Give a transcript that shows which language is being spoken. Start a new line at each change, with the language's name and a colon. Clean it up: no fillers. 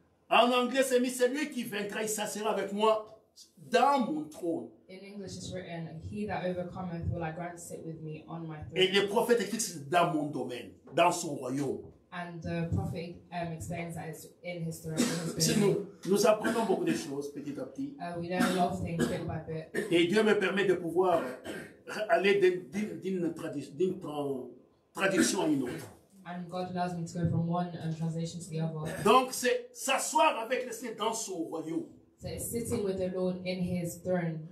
French: En anglais, c'est mis celui qui vaincra, il s'assera avec moi dans mon trône.
English: In English it's written, he that overcometh will I grant to sit with me on my throne.
French: Et le prophète écrit c'est dans mon domaine, dans son royaume.
English: And the prophet explains that it's in his throne.
French: C'est nous. Nous apprenons beaucoup de choses petit à petit.
English: We learn a lot of things bit by bit.
French: Et Dieu me permet de pouvoir aller d'une traduction à une autre.
English: And God allows me to go from one translation to the other.
French: Donc c'est s'asseoir avec le Seigneur dans son royaume.
English: So it's sitting with the Lord in his throne.